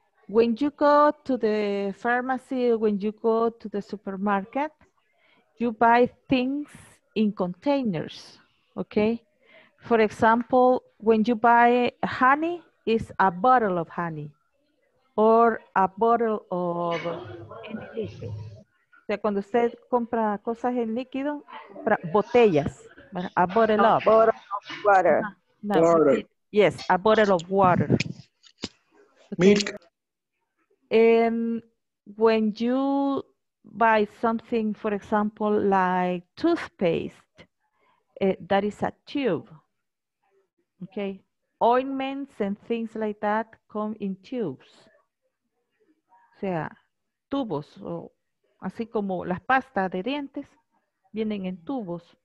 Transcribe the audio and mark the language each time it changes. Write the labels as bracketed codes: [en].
[en] When you go to the pharmacy, when you go to the supermarket, you buy things in containers, okay? For example, when you buy honey, it's a bottle of honey or a bottle of liquid. [es] O sea, cuando usted compra cosas en líquido, compra botellas, [en] a bottle of. A bottle of water. Water. Yes, a bottle of water. Okay. Milk. And when you buy something, for example, like toothpaste, that is a tube, okay? Ointments and things like that come in tubes. [es] O sea, tubos, o así como las pastas de dientes vienen en tubos.